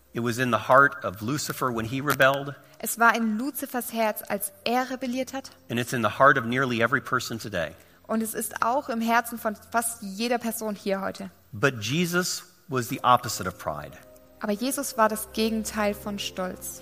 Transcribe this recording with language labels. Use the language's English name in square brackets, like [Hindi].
[English] It was in the heart of Lucifer when he rebelled. [German] Es war in Luzifers Herz, als rebelliert hat. [English] And it's in the heart of nearly every person today. [German] Und es ist auch im Herzen von fast jeder Person hier heute. [English] But Jesus was the opposite of pride. [German] Aber Jesus war das Gegenteil von Stolz.